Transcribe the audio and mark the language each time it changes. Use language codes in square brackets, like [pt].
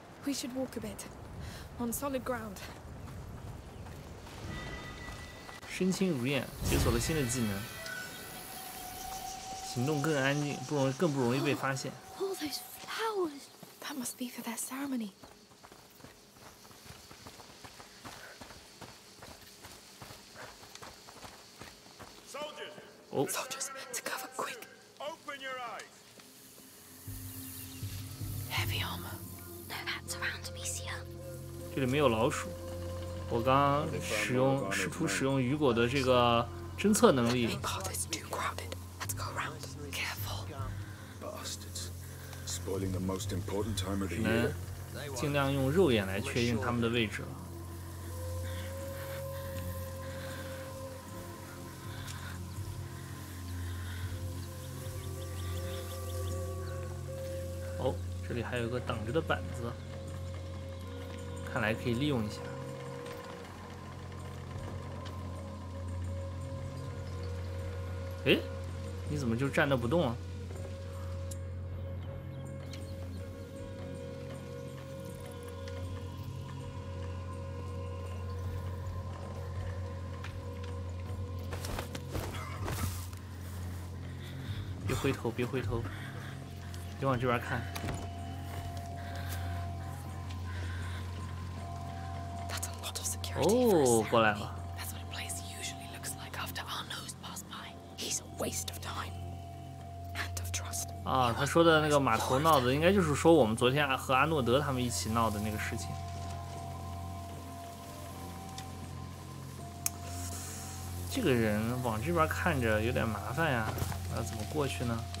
[en] We should walk a bit on solid ground. [zh] 身轻如燕，解锁了新的技能。行动更安静，更不容易被发现。 [en] All those flowers. That must be for that ceremony. Soldiers. Oh. Soldiers, to cover quick. Open your eyes. Heavy armor. No bats around to be seen. [zh] 这里没有老鼠。我刚试图使用雨果的这个侦测能力。 [en] It's too crowded. Let's go around. Careful. Bastards. Spoiling the most important time of the year. [zh] 尽量用肉眼来确认他们的位置。这里还有一个挡着的板子，看来可以利用一下。哎，你怎么就站那不动啊？别回头，别回头，别往这边看。哦，过来了。 [en] That's what a place usually looks like after our nose passed by. He's a waste of time and of trust. [zh] 啊，他说的那个码头闹的，应该就是说我们昨天和阿诺德他们一起闹的那个事情。这个人往这边看着有点麻烦呀，要怎么过去呢？